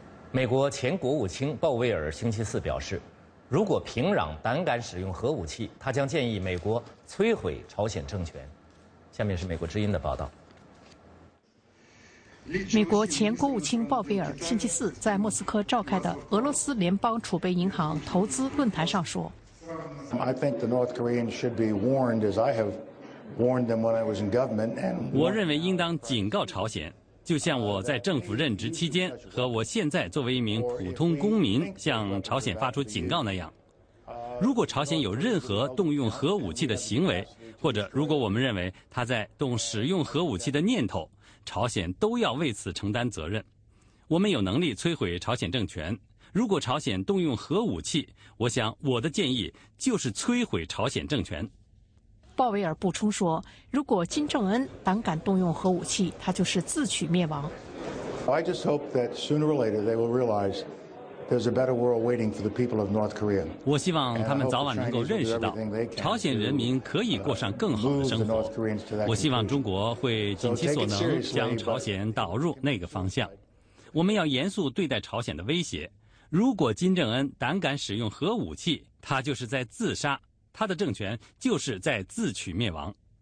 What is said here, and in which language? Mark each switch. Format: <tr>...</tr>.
<zh>美国前国务卿鲍威尔星期四表示，如果平壤胆敢使用核武器，他将建议美国摧毁朝鲜政权。下面是美国之音的报道。美国前国务卿鲍威尔星期四在莫斯科召开的俄罗斯联邦储备银行投资论坛上说，</zh> <en>I think the North Koreans should be warned as I have warned them when I was in government.</en> <zh>我认为应当警告朝鲜，就像我在政府任职期间和我现在作为一名普通公民向朝鲜发出警告那样，如果朝鲜有任何动用核武器的行为，或者如果我们认为他在动使用核武器的念头，朝鲜都要为此承担责任。我们有能力摧毁朝鲜政权。如果朝鲜动用核武器，我想我的建议就是摧毁朝鲜政权。鲍威尔补充说，如果金正恩胆敢动用核武器，他就是自取灭亡。</zh> <en>I just hope that sooner or later they will realize there's a better world waiting for the people of North Korea.</en> <zh>我希望他们早晚能够认识到，朝鲜人民可以过上更好的生活。我希望中国会尽其所能将朝鲜导入那个方向。我们要严肃对待朝鲜的威胁。如果金正恩胆敢使用核武器，他就是在自杀，他的政权就是在自取灭亡。</zh>